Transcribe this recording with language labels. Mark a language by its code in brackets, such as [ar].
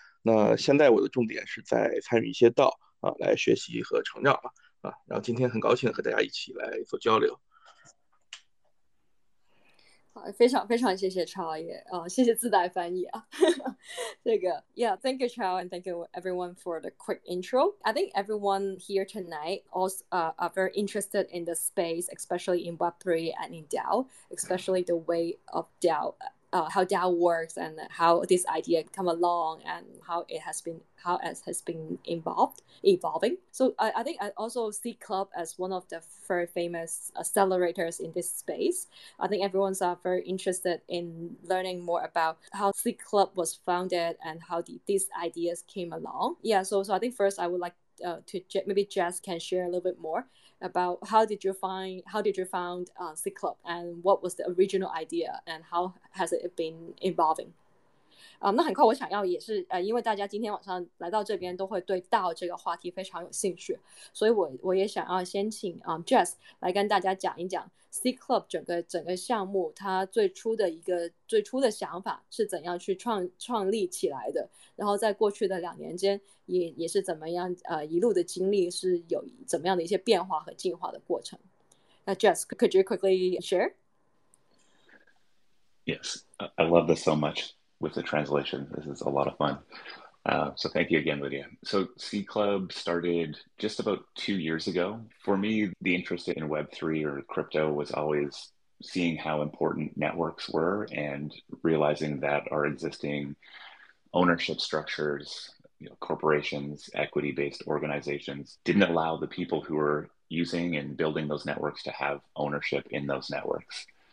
[zh] 那现在我的重点是在参与一些道啊，来学习和成长吧啊。然后今天很高兴和大家一起来做交流。好，非常非常谢谢 Chao 也啊，谢谢自带翻译啊。 [en] 这个 ，Yeah，Thank you Chao and thank you everyone for the quick intro. I think everyone here tonight also are very interested in the space, especially in Web3 and in DAO, especially the way of DAO. How DAO works and how this idea come along and how it has been evolving. So I think I also see Club as one of the very famous accelerators in this space. I think everyone's very interested in learning more about how C Club was founded and how these ideas came along. Yeah, so I think first I would like maybe Jess can share a little bit more about how did you find C Club and what was the original idea and how has it been evolving? [zh] 那很快我想要也是因为大家今天晚上来到这边都会对 DAO 这个话题非常有兴趣，所以我也想要先请Jess 来跟大家讲一讲 C Club 整个项目它最初的想法是怎样去创立起来的，然后在过去的两年间也是怎么样一路的经历是有怎么样的一些变化和进化的过程。 [en] 那 Jess, could you quickly share? Yes, I love this so much with the translation. This is a lot of fun. So thank you again, Lydia. So C Club started just about 2 years ago. For me, the interest in Web3 or crypto was always seeing how important networks were and realizing that our existing ownership structures, you know, corporations, equity-based organizations, didn't allow the people who were using and building those networks to have ownership in those networks.